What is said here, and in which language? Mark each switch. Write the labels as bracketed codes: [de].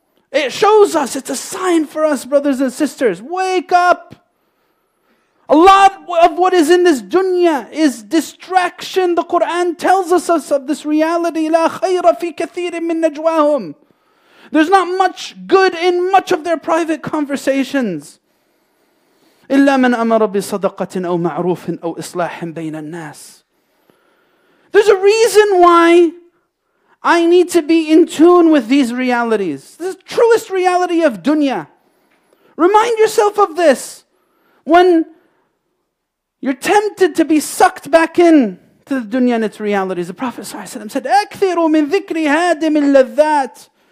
[en] It shows us, it's a sign for us, brothers and sisters. Wake up! A lot of what is in this dunya is distraction. The Quran tells us of this reality. [ar] لا خير في كثير من نجواهم. [en] There's not much good in much of their private conversations. [ar] إلا من أمر بصدقة أو معروف أو إصلاح بين الناس. [en] There's a reason why I need to be in tune with these realities. This is the truest reality of dunya. Remind yourself of this when you're tempted to be sucked back in to the dunya and its realities. The Prophet ﷺ said, [ar] أكثر من ذكر هادم اللذات.